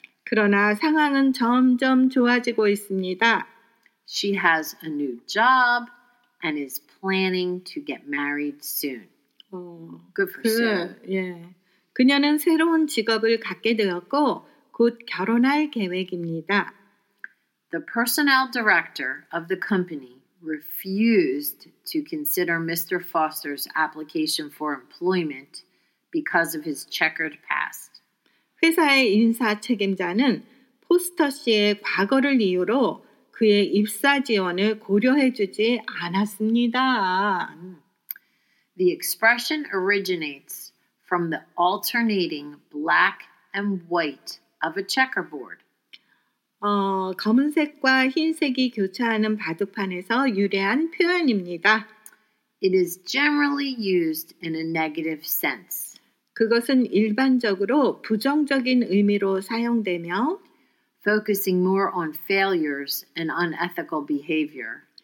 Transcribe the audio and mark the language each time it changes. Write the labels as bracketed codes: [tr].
[ko] 그러나 상황은 점점 좋아지고 있습니다. [en] She has a new job and is planning to get married soon. Good for Sue. [ko] 예. 그녀는 새로운 직업을 갖게 되었고 곧 결혼할 계획입니다. [en] The personnel director of the company refused to consider Mr. Foster's application for employment because of his checkered past. [ko] 회사의 인사 책임자는 포스터 씨의 과거를 이유로 그의 입사 지원을 고려해 주지 않았습니다. [en] The expression originates from the alternating black and white of a checkerboard. [ko] 검은색과 흰색이 교차하는 바둑판에서 유래한 표현입니다. [en] It is generally used in a negative sense. [ko] 그것은 일반적으로 부정적인 의미로 사용되며 [en] focusing more on failures and unethical behavior.